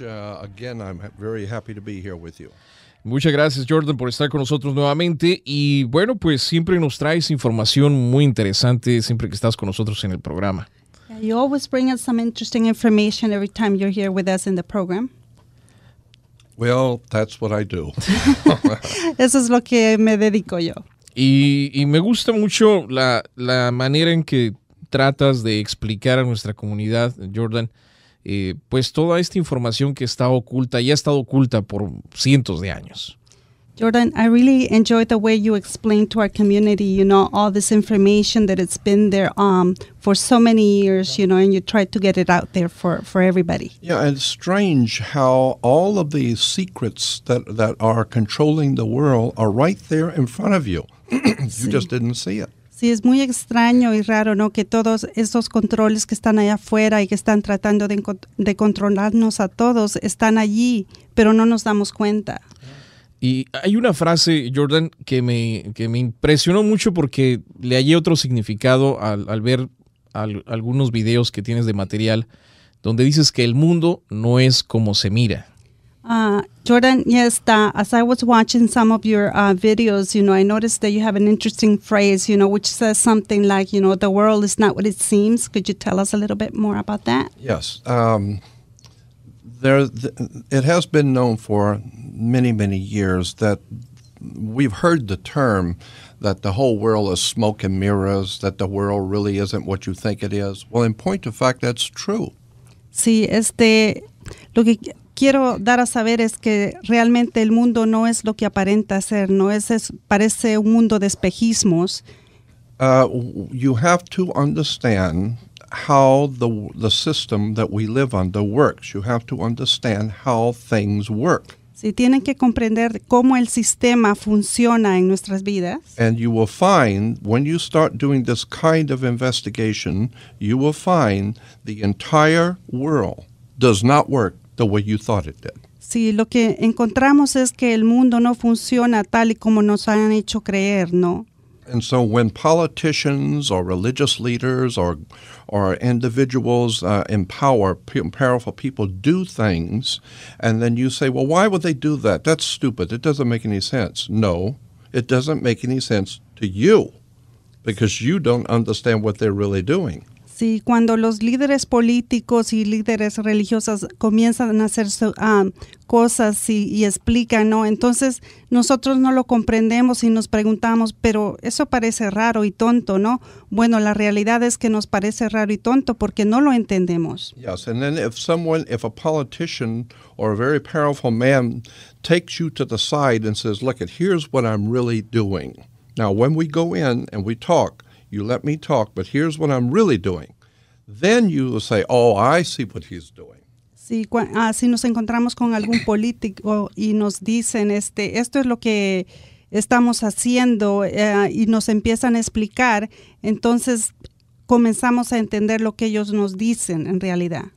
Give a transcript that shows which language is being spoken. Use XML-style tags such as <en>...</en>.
<en>Again, I'm very happy to be here with you.</en> <es>Muchas gracias, Jordan, por estar con nosotros nuevamente. Y bueno, pues siempre nos traes información muy interesante siempre que estás con nosotros en el programa.</es> <en>You always bring us some interesting information every time you're here with us in the program. Well, that's what I do.</en> <es>Eso es lo que me dedico yo. Y me gusta mucho la manera en que tratas de explicar a nuestra comunidad, Jordan, pues toda esta información que está oculta y ha estado oculta por cientos de años.</es> <en>Jordan, I really enjoy the way you explain to our community, you know, all this information that it's been there for so many years, you know, and you try to get it out there for everybody. Yeah, and it's strange how all of these secrets that are controlling the world are right there in front of you. You just didn't see it.</en> <es>Sí, es muy extraño y raro, ¿no?, que todos esos controles que están allá afuera y que están tratando de controlarnos a todos están allí, pero no nos damos cuenta. Y hay una frase, Jordan, que me impresionó mucho porque le hallé otro significado al ver algunos videos que tienes de material donde dices que el mundo no es como se mira.</es> <en>Jordan, yes, as I was watching some of your videos, you know, I noticed that you have an interesting phrase, you know, which says something like, you know, the world is not what it seems. Could you tell us a little bit more about that? Yes. It has been known for many, many years that we've heard the term that the whole world is smoke and mirrors, that the world really isn't what you think it is. Well, in point of fact, that's true.</en> <es>Sí, lo que quiero dar a saber es que realmente el mundo no es lo que aparenta ser, no es parece un mundo de espejismos.</es> <en>You have to understand how the system that we live under works. You have to understand how things work.</en> <es>Sí, tienen que comprender cómo el sistema funciona en nuestras vidas.</es> <en>And you will find, when you start doing this kind of investigation, you will find the entire world does not work the way you thought it did.</en> <es>Sí, lo que encontramos es que el mundo no funciona tal y como nos han hecho creer, ¿no?</es> <en>And so when politicians or religious leaders or individuals in power, powerful people do things, and then you say, well, why would they do that? That's stupid. It doesn't make any sense. No, it doesn't make any sense to you because you don't understand what they're really doing.</en> <es>Sí, cuando los líderes políticos y líderes religiosos comienzan a hacer cosas y explican, ¿no? Entonces nosotros no lo comprendemos y nos preguntamos, pero eso parece raro y tonto, ¿no? Bueno, la realidad es que nos parece raro y tonto porque no lo entendemos.</es> <en>Yes, and then if a politician or a very powerful man takes you to the side and says, look, here's what I'm really doing. Now, when we go in and we talk, you let me talk, but here's what I'm really doing. Then you will say, oh, I see what he's doing.</en> <es>Sí, si nos encontramos con algún político y nos dicen, esto es lo que estamos haciendo, y nos empiezan a explicar, entonces comenzamos a entender lo que ellos nos dicen en realidad.</es>